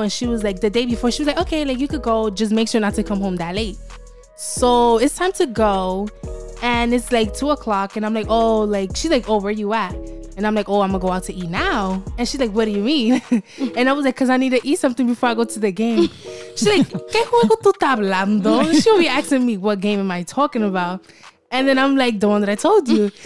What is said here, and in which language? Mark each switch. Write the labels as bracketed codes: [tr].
[en] And she was like, the day before, she was like, okay, like you could go, just make sure not to come home that late. So it's time to go, and it's like 2 o'clock, and I'm like, oh, like she's like, oh, where you at? And I'm like, oh, I'm gonna go out to eat now. And she's like, what do you mean? And I was like, because I need to eat something before I go to the game. She's like, [es] ¿qué juego tú estás hablando? [en] She'll be asking me, what game am I talking about? And then I'm like, the one that I told you.